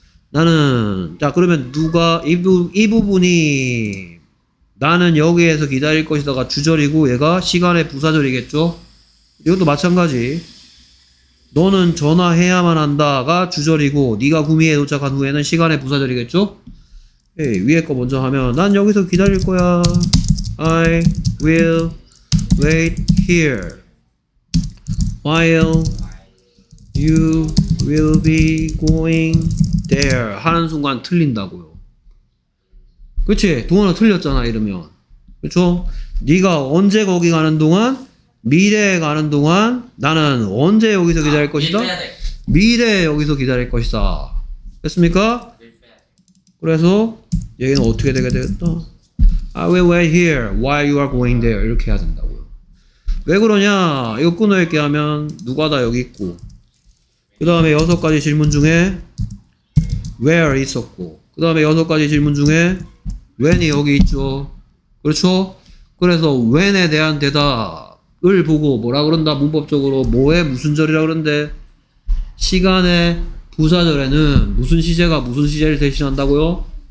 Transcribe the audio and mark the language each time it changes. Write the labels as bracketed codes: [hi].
[ko] 나는, 자, 그러면 누가, 이 부분이, 나는 여기에서 기다릴 것이다가 주절이고, 얘가 시간의 부사절이겠죠? 이것도 마찬가지. 너는 전화해야만 한다가 주절이고, 네가 구미에 도착한 후에는 시간의 부사절이겠죠? 예, 위에 거 먼저 하면, 난 여기서 기다릴 거야. [en] I will wait here while you will be going there. [ko] 하는 순간 틀린다고요. 그치? 동원어 틀렸잖아, 이러면. 그쵸? 네가 언제 거기 가는 동안? 미래에 가는 동안 나는 언제 여기서 기다릴 것이다? 미래에 여기서 기다릴 것이다. 됐습니까? 그래서 얘는 어떻게 되게 되겠다? [en] I will wait here while you are going there. [ko] 이렇게 해야 된다고요. 왜 그러냐? 이거 끊어있게 하면 누가 다 여기 있고, 그 다음에 여섯 가지 질문 중에 where 있었고, 그 다음에 여섯 가지 질문 중에 when이 여기 있죠. 그렇죠? 그래서 when에 대한 대답 을 보고 뭐라 그런다, 문법적으로 뭐에 무슨 절이라 그러는데, 시간의 부사절에는 무슨 시제가 무슨 시제를 대신한다고요?